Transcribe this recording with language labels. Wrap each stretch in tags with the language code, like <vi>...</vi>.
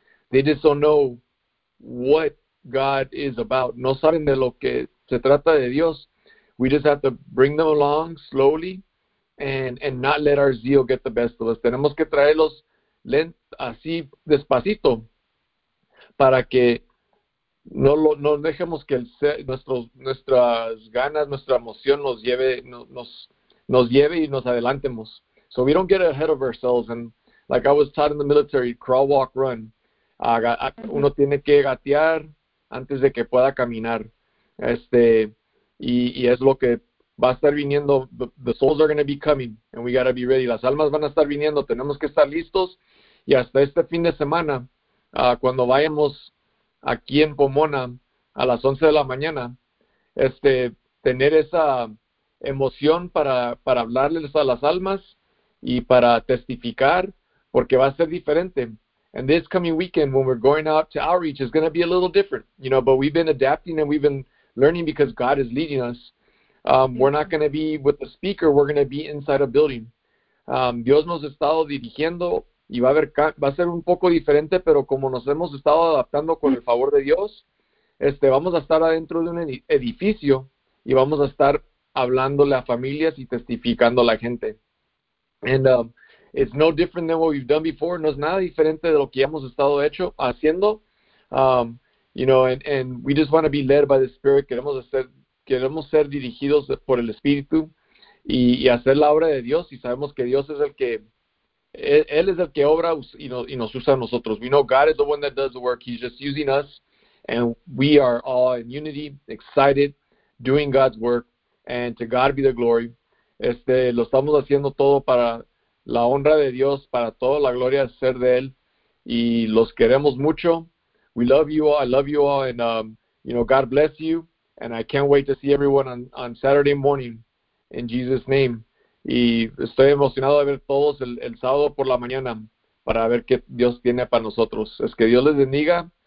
<en>They just don't know what God is about.</en> <es>No saben de lo que se trata de Dios.</es> <en>We just have to bring them along slowly and not let our zeal get the best of us.</en> <es>Tenemos que traerlos así despacito para que no dejemos que nuestras ganas, nuestra emoción nos lleve y nos adelantemos.</es> <en>So we don't get ahead of ourselves. And like I was taught in the military, crawl, walk, run.</en> <es>Uno tiene que gatear antes de que pueda caminar. Y es lo que va a estar viniendo.</es> <en>The souls are going to be coming, and we got to be ready.</en> <es>Las almas van a estar viniendo, tenemos que estar listos. Y hasta este fin de semana, cuando vayamos aquí en Pomona a las 11 de la mañana, tener esa emoción para hablarles a las almas y para testificar, porque va a ser diferente.</es> <en>And this coming weekend, when we're going out to outreach, is going to be a little different, but we've been adapting and we've been learning because God is leading us. We're not going to be with the speaker, we're going to be inside a building.</en> <es>Dios nos ha estado dirigiendo y va a ser un poco diferente, pero como nos hemos estado adaptando con el favor de Dios, vamos a estar adentro de un edificio y vamos a estar hablándole a familias y testificando a la gente.</es> <en>It's no different than what we've done before.</en> <es>No es nada diferente de lo que hemos estado haciendo.</es> <en>And we just want to be led by the Spirit.</en> <es>Queremos ser dirigidos por el Espíritu y hacer la obra de Dios. Y sabemos que Dios es el que, Él es el que obra y nos usa a nosotros.</es> <en>We know God is the one that does the work. He's just using us. And we are all in unity, excited, doing God's work. And to God be the glory.</en> <es>Lo estamos haciendo todo para la honra de Dios, para toda la gloria ser de Él, y los queremos mucho.</es> <en>We love you all, I love you all, and God bless you, and I can't wait to see everyone on Saturday morning, in Jesus' name.</en> <es>Y estoy emocionado de ver todos el sábado por la mañana, para ver qué Dios tiene para nosotros. Es que Dios les bendiga,</es>